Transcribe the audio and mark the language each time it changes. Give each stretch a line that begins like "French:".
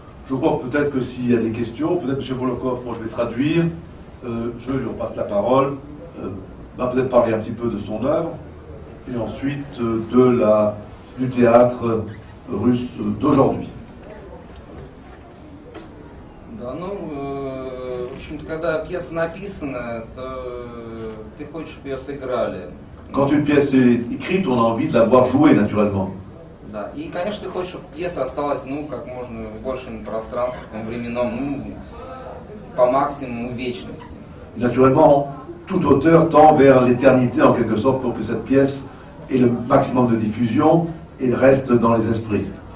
French: Je crois peut-être que s'il y a des questions, peut-être M. Volokhov, moi je vais traduire, je lui repasse la parole, va peut-être parler un petit peu de son œuvre, et ensuite du théâtre russe d'aujourd'hui.
Russian: Да, ну, в общем-то, когда пьеса написана, то ты хочешь, чтобы ее сыграли.
French: Quand une pièce est écrite, on a envie de la voir jouer, naturellement.
Russian: Да, и, конечно, ты хочешь, чтобы пьеса осталась, ну, как можно в большем пространстве, временном, ну, по максимуму вечности.
French: Naturellement, tout auteur tend vers l'éternité, en quelque sorte, pour que cette pièce ait le maximum de diffusion et reste dans les esprits.